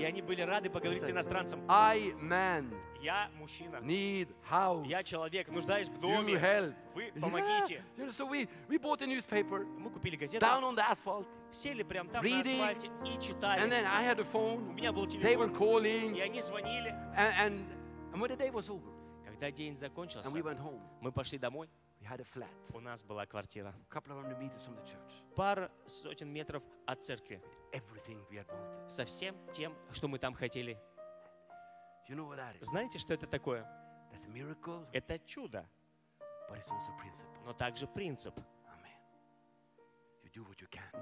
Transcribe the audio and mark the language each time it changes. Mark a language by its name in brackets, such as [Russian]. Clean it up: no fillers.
[Russian] И они были рады поговорить с иностранцем. [English] I man. [Russian] Я мужчина. [English] Need house. [Russian] Я человек, нуждаюсь в доме. [English] You help. [Russian] Вы помогите. [English] Yeah. You know, so we bought a newspaper. [Russian] Мы купили газету. [English] Down on the asphalt. [Russian] Сели прямо там [English] reading, [Russian] на асфальте и читали. [English] And then I had a phone. [Russian] У меня был телефон. [English] They were calling. [Russian] И они звонили. [English] And when the day was over. [Russian] Когда день закончился. [English] And we went home. [Russian] Мы пошли домой. [English] We had a flat. [Russian] У нас была квартира. [English] A couple of hundred meters from the church. [Russian] Пара сотен метров от церкви. [English] Everything we had wanted. [Russian] Со всем тем, что мы там хотели. [English] You know what that is? [Russian] Знаете, что это такое? [English] That's a miracle. [Russian] Это чудо. [English] But it's also principle. [Russian] Но также принцип. [English] Amen. You do what you can.